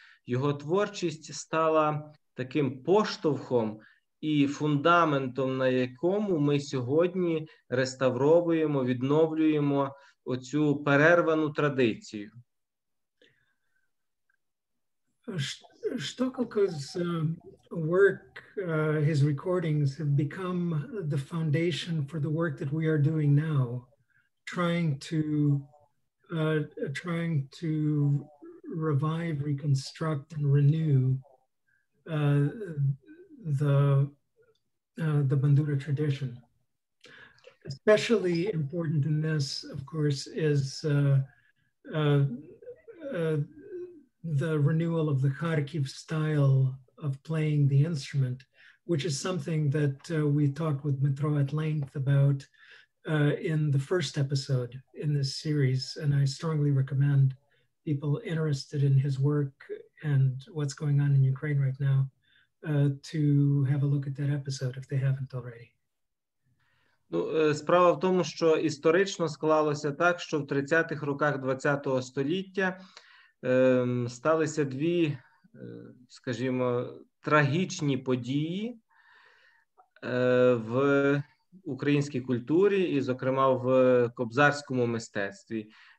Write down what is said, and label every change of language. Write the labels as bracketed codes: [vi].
[uk] Його творчість стала таким поштовхом і фундаментом, на якому ми сьогодні реставровуємо, відновлюємо оцю перервану традицію. [en] Shtokalko's work, his recordings have become the foundation for the work that we are doing now, trying to revive, reconstruct, and renew the bandura tradition. Especially important in this, of course, is the renewal of the Kharkiv style of playing the instrument, which is something that we talked with Dmytro at length about in the first episode in this series. And I strongly recommend people interested in his work and what's going on in Ukraine right now to have a look at that episode if they haven't already. [uk] Ну, справа в тому, що історично склалося так, що в 30-х роках 20-го століття сталися дві, скажімо, трагічні події в українській культурі і, зокрема, в кобзарському мистецтві.